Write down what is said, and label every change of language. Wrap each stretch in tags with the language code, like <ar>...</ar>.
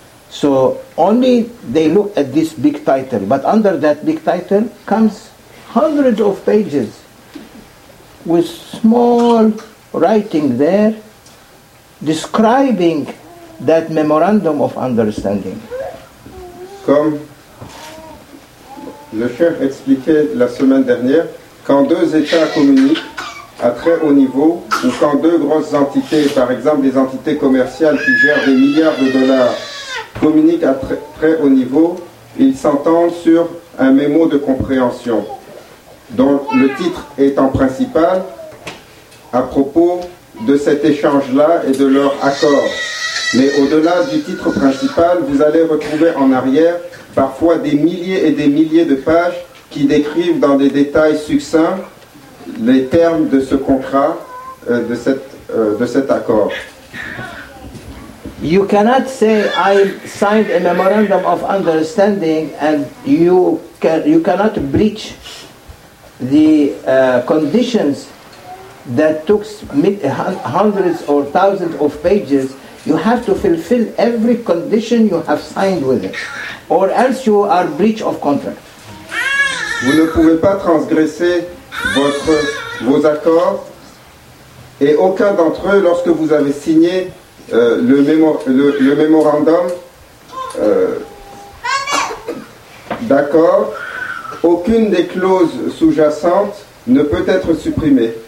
<en>So only they look at this big title, but under that big title comes hundreds of pages with small writing there, describing that memorandum of understanding.</en> <fr>Comme le cher expliquait la semaine dernière, quand deux états communiquent à très haut niveau, ou quand deux grosses entités, par exemple des entités commerciales qui gèrent des milliards de dollars, communiquent à très haut niveau, ils s'entendent sur un mémo de compréhension, dont le titre est en principal à propos de cet échange-là et de leur accord. Mais au-delà du titre principal, vous allez retrouver en arrière parfois des milliers et des milliers de pages qui décrivent dans des détails succincts les termes de ce contrat, de cet accord.</fr> <en>You cannot say I signed a memorandum of understanding and you cannot breach the conditions that took hundreds or thousands of pages. You have to fulfill every condition you have signed with it, or else you are breach of contract.</en> <fr>Vous ne pouvez pas transgresser vos accords, et aucun d'entre eux, lorsque vous avez signé le mémorandum d'accord, aucune des clauses sous-jacentes ne peut être supprimée.</fr>